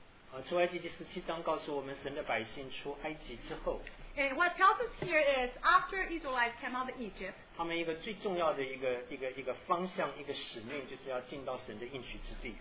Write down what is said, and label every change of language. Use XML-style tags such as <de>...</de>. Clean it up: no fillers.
<zh>好，出埃及记十七章告诉我们，神的百姓出埃及之后。</zh> <en>And what tells us here is after Israelites came out of Egypt.</en> <zh>他们一个最重要的一个方向，一个使命，就是要进到神的应许之地。</zh>